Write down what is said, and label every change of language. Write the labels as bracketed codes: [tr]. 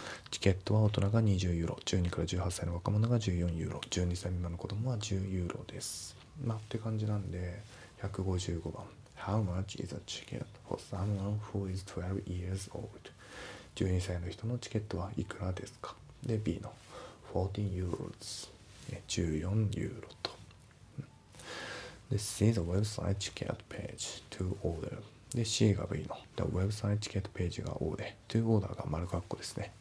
[ja] チケットは大人が20ユーロ、12から18歳の若者が14ユーロ、12歳未満の子供は10ユーロです。まあって感じなんで、 [en] 155番 How much is a ticket for someone who is 12 years old? [ja] 12歳の人のチケットはいくらですか。で B の [en] 14 euros、 [ja] 14ユーロと。 [en] で C の website ticket page to order。 [ja] で C が B の [en] The website ticket page [ja] が O で [en] To order [ja] が丸括弧ですね。